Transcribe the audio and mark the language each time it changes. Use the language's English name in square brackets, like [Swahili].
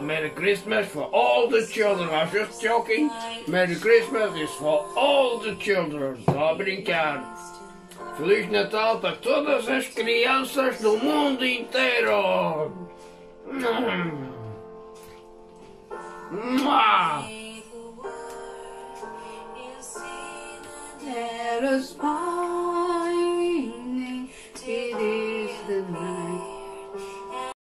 [English] Merry Christmas for all the children. I was just joking. Merry Christmas is for all the children. [Portuguese] Estou brincando. Feliz Natal para todas as crianças do mundo inteiro! [English] Let us find it, it is the night.